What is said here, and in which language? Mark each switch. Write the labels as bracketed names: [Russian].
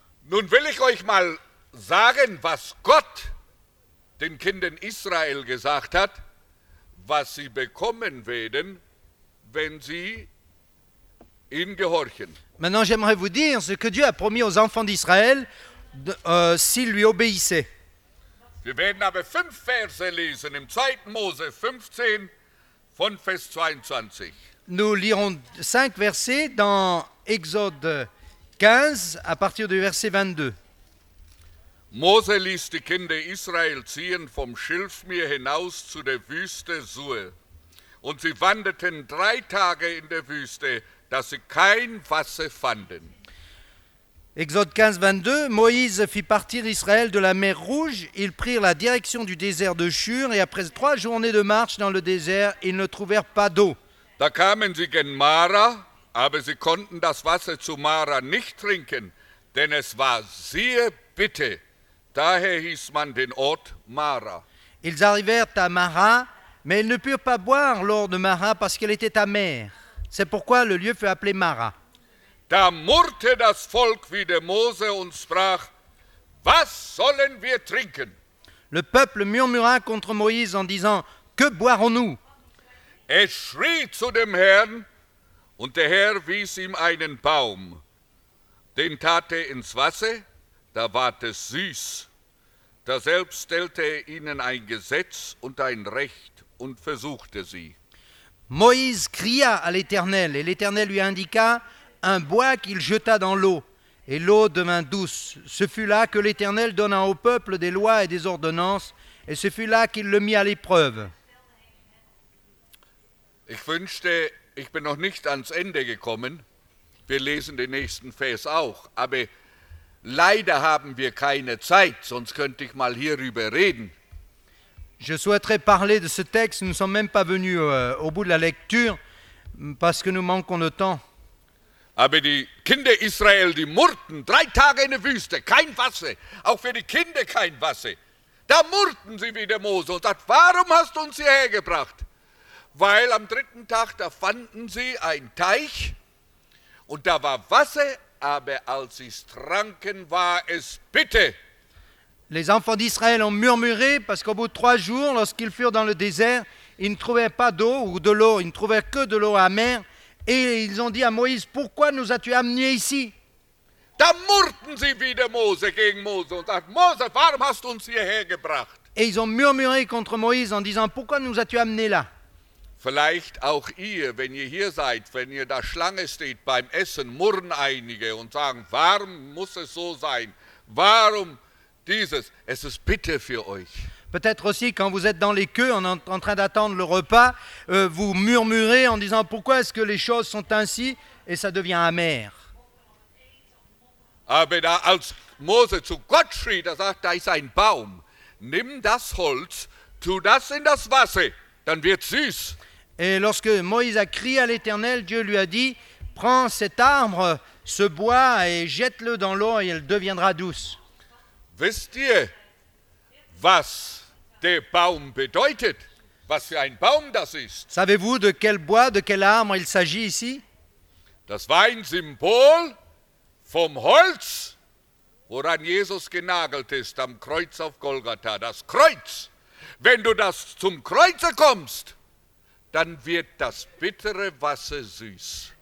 [German] Nun will ich euch mal sagen, was Gott den Kindern Israel gesagt hat, was sie bekommen werden, wenn sie ihn gehorchen. [French] Maintenant, j'aimerais vous dire ce que Dieu a promis aux enfants d'Israël s'ils lui obéissaient. [German] Wir werden aber 5 Verse lesen im 2. Mose 15 von Vers 22. [French] Nous lirons 5 versets dans Exode 15 à partir du verset 22. [German] Mose ließ die Kinder Israel ziehen vom Schilfmeer hinaus zu der Wüste Suhe. Und sie wanderten 3 Tage in der Wüste, dass sie kein Wasser fanden. [French] Exode 15, 22, Moïse fit partir Israël de la mer Rouge. Ils prirent la direction du désert de Shur et après 3 journées de marche dans le désert, ils ne trouvèrent pas d'eau. [German] Da kamen sie gen Mara, aber sie konnten das Wasser zu Mara nicht trinken, denn es war sehr bitter. Daher hieß man den Ort Mara. [French] Ils arrivèrent à Mara, mais ils ne purent pas boire l'eau de Mara parce qu'elle était amère. C'est pourquoi le lieu fut appelé Mara. [German] Da murrte das Volk wieder Mose und sprach, was sollen wir trinken? [French] Le peuple murmura contre Moïse en disant, que boirons-nous? [German] Er schrie zu dem Herrn und der Herr wies ihm einen Baum. Den tat er ins Wasser, da ward es süß. Daselbst stellte er ihnen ein Gesetz und ein Recht und versuchte sie. [French] Moïse cria à l'Éternel et l'Éternel lui indiqua, un bois qu'il jeta dans l'eau, et l'eau devint douce. Ce fut là que l'Éternel donna au peuple des lois et des ordonnances, et ce fut là qu'il le mit à l'épreuve. [German] Ich wünschte, ich bin noch nicht ans Ende gekommen. Wir lesen den nächsten Vers auch. Aber leider haben wir keine Zeit, sonst könnte ich mal hierüber reden. [French] Je souhaiterais parler de ce texte, nous ne sommes même pas venus au bout de la lecture, parce que nous manquons de temps. [German] Aber die Kinder Israel, die murrten 3 Tage in der Wüste, kein Wasser, auch für die Kinder kein Wasser. Da murrten sie wieder Mose und sagten, warum hast du uns hierher gebracht? Weil am 3. Tag, da fanden sie einen Teich und da war Wasser, aber als sie es tranken, war es bitter. [French] Les enfants d'Israël ont murmuré parce qu'au bout de 3 jours, lorsqu'ils furent dans le désert, ils ne trouvaient pas d'eau ou de l'eau, ils ne trouvaient que de l'eau amère. Et ils ont dit à Moïse, pourquoi nous as-tu amenés ici? [German] Da murrten sie wieder Mose gegen Mose und sagten, Mose, warum hast du uns hierher gebracht? [French] Et ils ont murmuré contre Moïse en disant, pourquoi nous as-tu amenés là? [German] Vielleicht auch ihr, wenn ihr hier seid, wenn ihr da Schlange steht beim Essen, murren einige und sagen, warum muss es so sein? Warum dieses? Es ist bitter für euch. [French] Peut-être aussi quand vous êtes dans les queues en train d'attendre le repas, vous murmurez en disant pourquoi est-ce que les choses sont ainsi et ça devient amer. [German] Aber da, als Mose zu Gott schrie, da sagt, da ist ein Baum. Nimm das Holz, tu das in das Wasser, dann wird süß. [French] Et lorsque Moïse a crié à l'Éternel, Dieu lui a dit, prends cet arbre, ce bois et jette-le dans l'eau et elle deviendra douce. [German] Wisst ihr? Was der Baum bedeutet, was für ein Baum das ist. [French] Savez-vous de quel bois, de quel arbre il s'agit ici? [German] Das war ein Symbol vom Holz, woran Jesus genagelt ist am Kreuz auf Golgatha, das Kreuz. Wenn du das zum Kreuze kommst, dann wird das bittere Wasser süß.